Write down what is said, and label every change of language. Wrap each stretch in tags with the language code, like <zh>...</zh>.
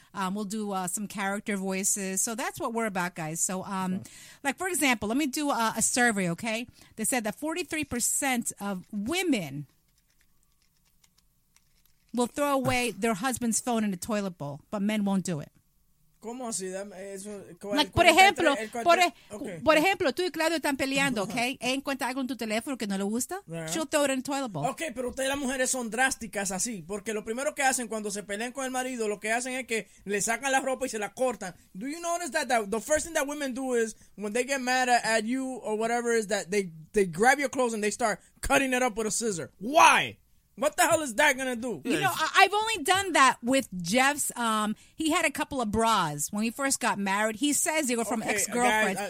<en>We'll do some character voices. So that's what we're about, guys. So, like, for example, let me do a survey, okay? They said that 43% of women will throw away their husband's phone in the toilet bowl, but men won't do it. Like,</en> <es>por ejemplo, por ejemplo, tú y Claudio están peleando, okay? ¿Ella encuentra algo en tu teléfono que no le gusta?</es> <en>She'll throw it in the toilet bowl.</en> <es>Okay, pero ustedes las mujeres son drásticas así, porque lo primero que hacen cuando se pelean con el marido, lo que hacen es que le sacan la ropa y se la cortan.</es> <en>Do you notice that the first thing that women do is when they get mad at you or whatever is that they grab your clothes and they start cutting it up with a scissor? Why? What the hell is that going to do? You know, I've only done that with Jeff's. He had a couple of bras when he first got married. He says they were from ex-girlfriends.</en>